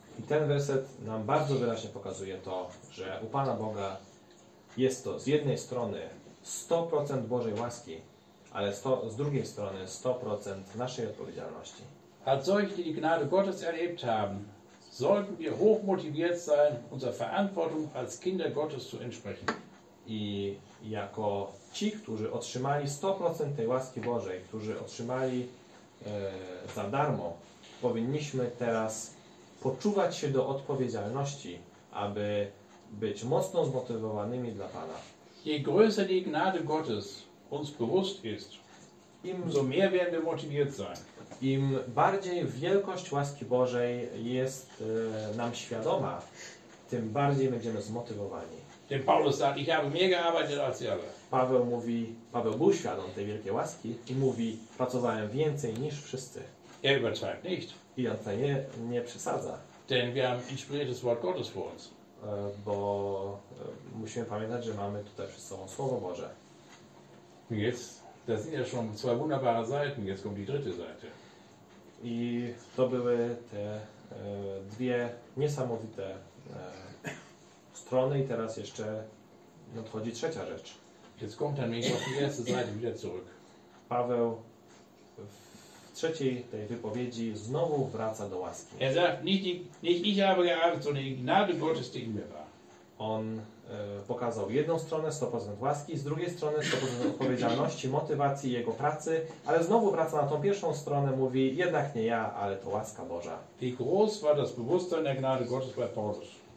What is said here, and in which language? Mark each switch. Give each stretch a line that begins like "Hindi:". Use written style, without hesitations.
Polish: I ten werset nam bardzo wyraźnie pokazuje to, że u Pana Boga jest to z jednej strony 100% Bożej łaski, ale z drugiej strony 100% naszej odpowiedzialności.
German: Als solche, die Gnade Gottes erlebt haben, sollten wir hochmotiviert sein, unserer Verantwortung als Kinder Gottes zu entsprechen.
Polish: I jako ci, którzy otrzymali 100% tej łaski Bożej, którzy otrzymali za darmo, powinniśmy teraz poczuwać się do odpowiedzialności, aby być mocno zmotywowanymi dla Pana.
German: Je größer die Gnade Gottes uns bewusst ist, umso mehr werden wir motiviert sein.
Polish: Im bardziej wielkość łaski Bożej jest nam świadoma, tym bardziej będziemy zmotywowani.
German: Denn Paulus sagt, ich habe mehr gearbeitet als ihr.
Polish: Paweł mówi, Paweł był świadom tej wielkiej łaski i mówi, pracowałem więcej niż wszyscy.
German: Er übertreibt nicht.
Polish: I on to nie przesadza.
German: Denn wir haben inspiriertes Wort Gottes vor uns.
Polish: Bo musimy pamiętać, że mamy tutaj przed sobą Słowo Boże.
German: Jetzt, das sind ja schon zwei wunderbare Seiten, jetzt kommt die dritte Seite.
Polish: I to były te dwie niesamowite strony i teraz jeszcze nadchodzi trzecia rzecz.
German: Jetzt kommt dann mniej auf die erste Seite wieder zurück.
Polish: Paweł w trzeciej tej wypowiedzi znowu wraca do łaski.
German: Er sagt, nicht ich habe gearbeitet, sondern die Gnade Gottes, die in mir war.
Polish: On pokazał jedną stronę, 100% łaski, z drugiej strony 100% odpowiedzialności, motywacji jego pracy, ale znowu wraca na tą pierwszą stronę, mówi, jednak nie ja, ale to łaska Boża.
German: Wie groß war das Bewusstsein der Gnade Gottes bei Paulus?